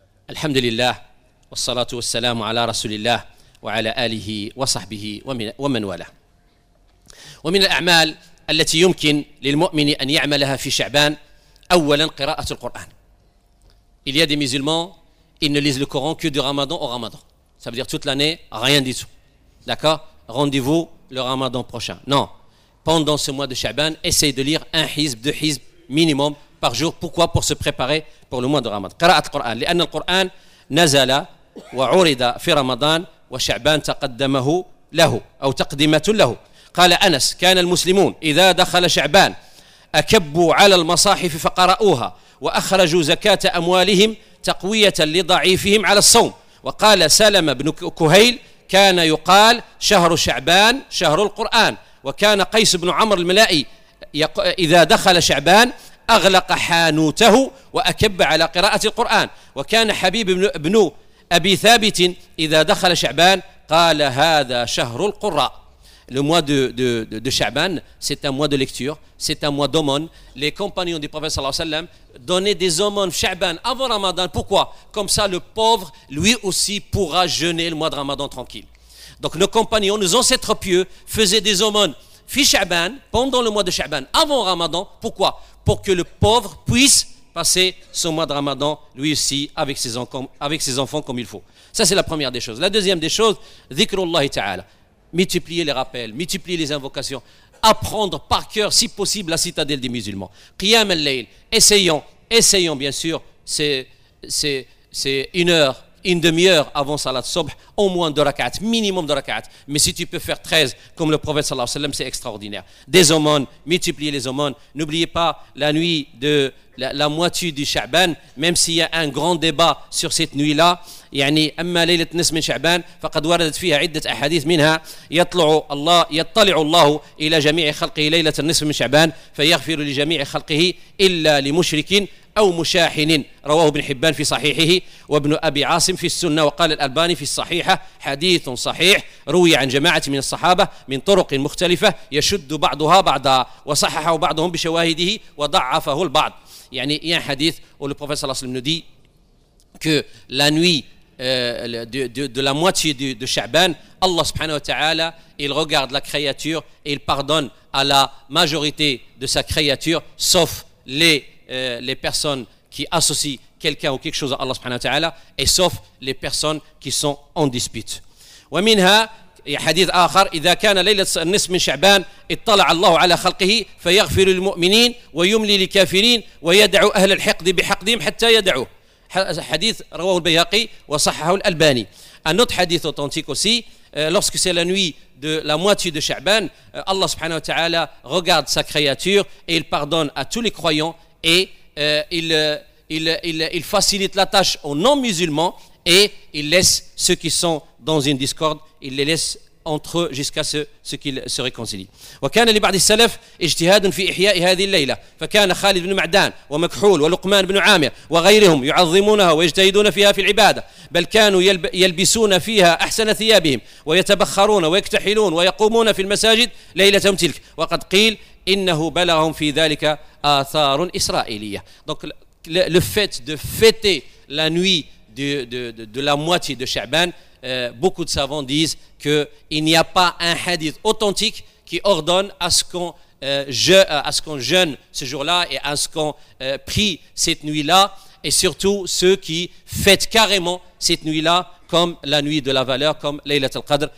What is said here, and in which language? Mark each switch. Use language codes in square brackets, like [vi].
[ar] الحمد لله والصلاة والسلام على رسول الله وعلى آله وصحبه ومن والاه. ومن الأعمال التي يمكن للمؤمن أن يعملها في شعبان، أولا قراءة القرآن. [fr] Il y a des musulmans, ils ne lisent le Coran que du Ramadan au Ramadan. Ça veut dire toute l'année, rien du tout. D'accord ? Rendez-vous le Ramadan prochain. Non. Pendant ce mois de Sha'ban, essaye de lire un hizb, deux hizb minimum par jour. Pourquoi ? Pour se préparer pour le mois de Ramadan. [ar] Qara'at al-Qur'an. Lianna al-Qur'an nazala wa 'urida fi Ramadan wa Sha'ban taqaddamahu lahu aw taqdimatun lahu. Qala Anas, kana al-muslimun idha dakhala Sha'ban akabbu 'ala al-masahif fa qara'uha wa akhraju zakata amwalihim taqwiyatan li dha'ifihim 'ala as-sawm. Wa qala Salam ibn Kuhayl كان يقال شهر شعبان شهر القرآن وكان قيس بن عمرو الملائي إذا دخل شعبان أغلق حانوته وأكب على قراءة القرآن وكان حبيب بن أبي ثابت إذا دخل شعبان قال هذا شهر القراء. [fr] Le mois de Sha'ban, c'est un mois de lecture, c'est un mois d'aumône. Les compagnons du prophète sallallahu alayhi wa sallam donnaient des aumônes Sha'ban avant Ramadan. Pourquoi ? Comme ça, le pauvre, lui aussi, pourra jeûner le mois de Ramadan tranquille. Donc nos compagnons, nos ancêtres pieux, faisaient des aumônes fi Sha'ban, pendant le mois de Sha'ban, avant Ramadan. Pourquoi ? Pour que le pauvre puisse passer son mois de Ramadan, lui aussi, avec ses enfants comme il faut. Ça, c'est la première des choses. La deuxième des choses, dhikrullahi ta'ala. Multiplier les rappels, multiplier les invocations, apprendre par cœur, si possible, la citadelle des musulmans. Qiyam al-layl, essayons bien sûr, c'est une heure, une demi-heure avant salat sobh, au moins deux rak'at, minimum deux rak'at. Mais si tu peux faire 13, comme le prophète sallallahu alayhi wa sallam, c'est extraordinaire. Des aumônes, multiplier les aumônes. N'oubliez pas la nuit de la moitié du Sha'ban, même s'il y a un grand débat sur cette nuit-là. [ar] يعني أما ليلة نصف من شعبان فقد وردت فيها عدة أحاديث منها يطلع الله إلى جميع خلقه ليلة النصف من شعبان فيغفر لجميع خلقه إلا لمشرك أو مشاحن رواه ابن حبان في صحيحه وابن أبي عاصم في السنة وقال الألباني في الصحيحة حديث صحيح روي عن جماعة من الصحابة من طرق مختلفة يشد بعضها بعضا وصححه بعضهم بشواهده وضعفه البعض. يعني إيه حديث والبروفيسور صلى الله عليه وسلم ندي [fr] que la nuit de la moitié de Sha'ban, Allah subhanahu wa ta'ala, il regarde la créature et il pardonne à la majorité de sa créature, sauf les personnes qui associent quelqu'un ou quelque chose à Allah subhanahu wa ta'ala, et sauf les personnes qui sont en dispute. [ar] Wa minha, hadith akhar, idha kana laylat nisf min Sha'ban, اطلع الله على خلقه فيغفر للمؤمنين ويملي للكافرين ويدعو أهل الحقد بحقدهم حتى يدعوه. Hadith rawahu al-Bayhaqi wa sahahahu al-Albani. [fr] Un autre hadith authentique aussi, lorsque c'est la nuit de la moitié de Sha'ban, Allah subhanahu wa ta'ala regarde sa créature et il pardonne à tous les croyants et il facilite la tâche aux non-musulmans et il laisse ceux qui sont dans une discorde, il les laisse entre eux jusqu'à ce qu'ils se réconcilient. [ar] وكان لبعض السلف اجتهاد في إحياء هذه الليلة فكان خالد بن معدان ومكحول ولقمان بن عامر وغيرهم يعظمونها ويجتهدون فيها في العبادة بل كانوا يلبسون فيها أحسن ثيابهم ويتبخرون ويكتحلون ويقومون في المساجد ليلتهم تلك وقد قيل إنه بلغهم في ذلك آثار إسرائيلية. [fr] Donc le fait de fêter la nuit de la moitié de Sha'ban, beaucoup de savants disent qu'il n'y a pas un hadith authentique qui ordonne à ce qu'on jeûne ce jour-là et à ce qu'on prie cette nuit-là, et surtout ceux qui fêtent carrément cette nuit-là comme la nuit de la valeur, comme Laylat al-Qadr.